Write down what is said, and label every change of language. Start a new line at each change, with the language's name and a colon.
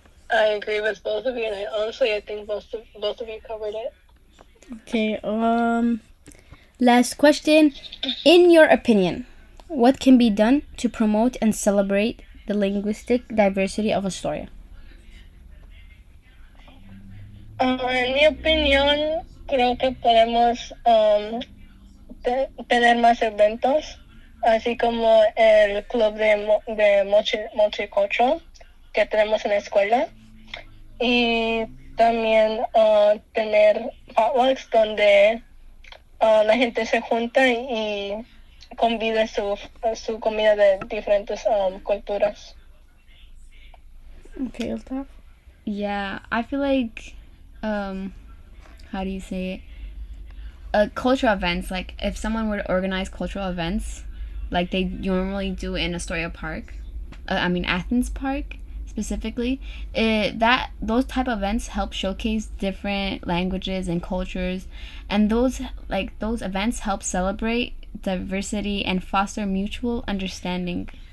English: I agree with both of you, and honestly, I think both of you covered it. Okay, last question. In your opinion, what can be done to promote and celebrate the linguistic diversity of Astoria?
Spanish: In mi opinión, creo que podemos tener más eventos, así como el club de multicultural que tenemos en la escuela, y también tener potlucks donde la gente se junta y convive su comida de diferentes culturas.
English: Okay, Elta. Yeah, I feel like, how do you say it? Cultural events, like if someone were to organize cultural events, like they normally do in Astoria Park, Athens Park specifically, those type of events help showcase different languages and cultures, and those events help celebrate diversity and foster mutual understanding.